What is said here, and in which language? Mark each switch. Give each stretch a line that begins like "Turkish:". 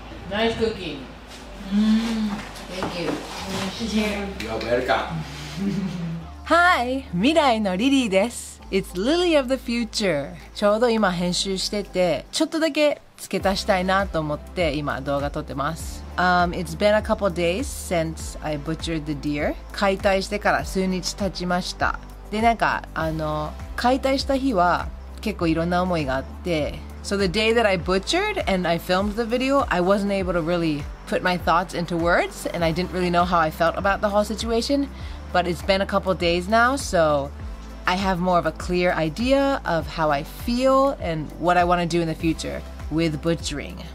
English: ナイスクッキング。Thank you。
Japanese: おいしい。
English: You're welcome。 Hi!
Japanese: 未来のリリーです。
English: It's Lily of the future.
Japanese: ちょうど今編集してて、ちょっとだけ付け足したいなと思って今動画撮ってます。
English: It's been a couple days since I butchered the deer.
Japanese: 解体してから数日経ちました。で、なんか、解体した日は結構いろんな思いがあって。
English: So the day that I butchered and I filmed the video, I wasn't able to really put my thoughts into words and I didn't really know how I felt about the whole situation. But it's been a couple days now, so I have more of a clear idea of how I feel and what I want to do in the future with butchering.